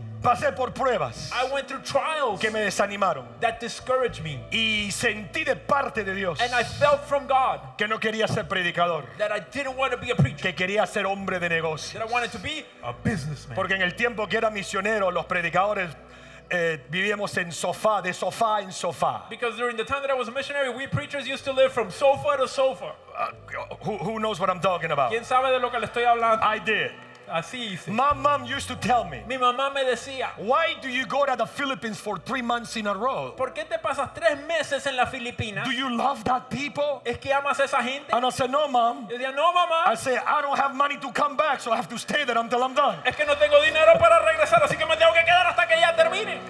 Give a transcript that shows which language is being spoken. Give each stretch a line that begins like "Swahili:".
Spanish: pasé por pruebas,
English: I went through trials
Spanish: que me desanimaron,
English: that discouraged me,
Spanish: y sentí de parte de Dios,
English: and I felt from God
Spanish: que no quería ser predicador,
English: that I didn't want to be a preacher,
Spanish: que quería ser hombre de negocios,
English: that I wanted to be a businessman.
Spanish: Porque en el tiempo que era misionero, los predicadores vivíamos en sofá, de sofá en sofá.
English: Because during the time that I was a missionary, we preachers used to live from sofa to sofa. Who knows what I'm talking about?
Spanish: ¿Quién sabe de lo que le estoy hablando?
English: I did.
Spanish: Así hice.
English: My mom used to tell me,
Spanish: mi mamá me decía,
English: why do you go to the Philippines for 3 months in a row?
Spanish: ¿Por qué te pasas 3 meses en la Filipina?
English: Do you love that people?
Spanish: ¿Es que amas esa gente?
English: And I said, no, mom.
Spanish: Yo decía, no, mamá.
English: I said, I don't have money to come back, so I have to stay there until I'm done.
Spanish: Es que no tengo dinero para regresar, así que me tengo que quedar hasta que ella termine.